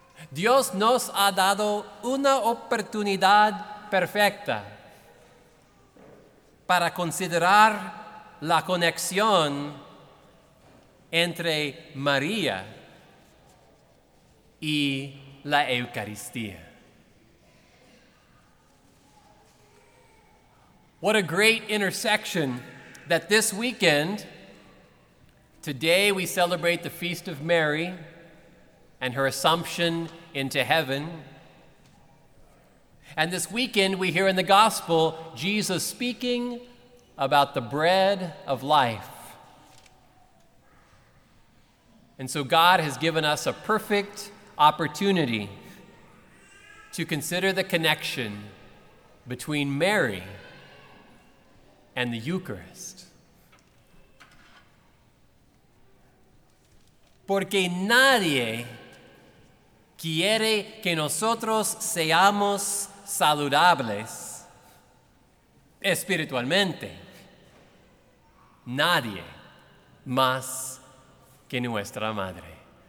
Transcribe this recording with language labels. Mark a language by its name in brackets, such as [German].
[Spanish] Dios nos ha dado una oportunidad perfecta para considerar la conexión entre María y la Eucaristía. [English] What a great intersection that this weekend, today we celebrate the Feast of Mary and her Assumption into heaven. And this weekend we hear in the Gospel Jesus speaking about the bread of life. And so God has given us a perfect opportunity to consider the connection between Mary and the Eucharist. [Spanish] Porque nadie quiere que nosotros seamos saludables espiritualmente. Nadie más que nuestra madre.